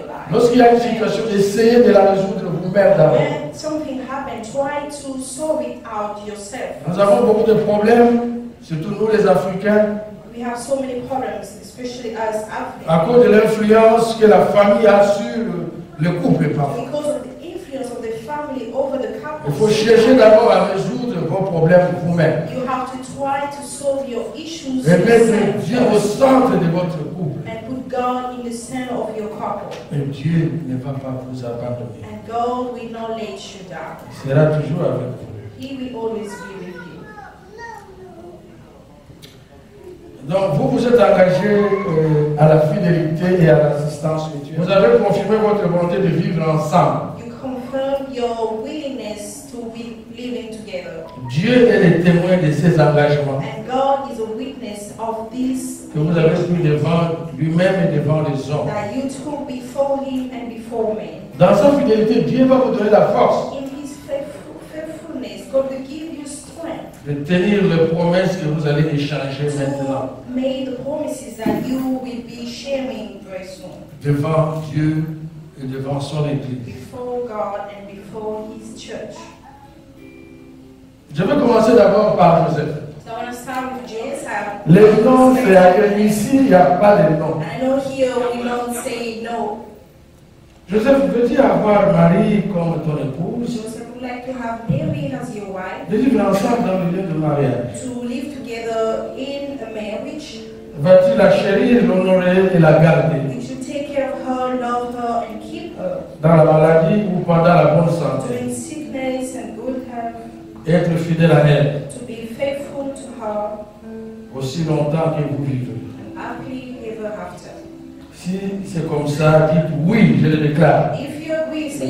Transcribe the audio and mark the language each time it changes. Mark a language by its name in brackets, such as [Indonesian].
[French] Lorsqu'il y a une situation, essayez de la résoudre vous-même d'abord. [English] When something happens, try to solve it out yourself. [French] Nous avons beaucoup de problèmes, surtout nous les Africains. [English] We have so many problems, especially as Africans. [French] À cause de l'influence que la famille a sur le couple, parfois. [English] Because of the influence of the family over the couple. [French] Il faut chercher d'abord à résoudre vos problèmes vous-même. [English] You have to try to solve your issues yourself. [French] Et mettre Dieu au centre de votre couple. [English] God in the center of your couple. [French] Et Dieu ne va pas vous abandonner. [English] And God will not let you down. [French] Il sera toujours avec vous. [English] He will always be with you. [French] Donc vous vous êtes engagé à la fidélité et à l'assistance de Dieu. Vous avez confirmé votre volonté de vivre ensemble. [English] You confirm your willingness to be living together. [French] Dieu est le témoin de ces engagements. [English] And God is a witness of this. [French] Que vous avez mis devant lui-même et devant les hommes. [English] That you took before him and before men. [French] Dans sa fidélité, Dieu va vous donner la force. [English] In his faithfulness, God will give you strength. [French] De tenir les promesses que vous allez échanger maintenant. [English] Make the promises that you will be sharing very soon. [French] Devant Dieu et devant son Église. [English] Before God and before His church. [French] Je vais commencer d'abord par Joseph. [English] So I want to start with Joseph. [French] Les noms, c'est à dire ici, il n'y a pas de nom. [English] I know here we don't say no. [French] Joseph, veux-tu avoir Marie comme ton épouse? [English] Joseph, would you like to have Mary as your wife? [French] De vivre ensemble dans le lieu de mariage. [English] To live together in a marriage. [French] Vas-tu la chérir, l'honorer et la garder? [English] Would you take care of her, love her and keep her? [French] Dans la maladie ou pendant la bonne santé? [English] During sickness and good health. [French] Être fidèle à elle. [English] Faithful to her. [French] Aussi longtemps que vous vivez. [English] Happily ever after. [French] Si c'est comme ça, dites oui, je le déclare. [English] If you agree, say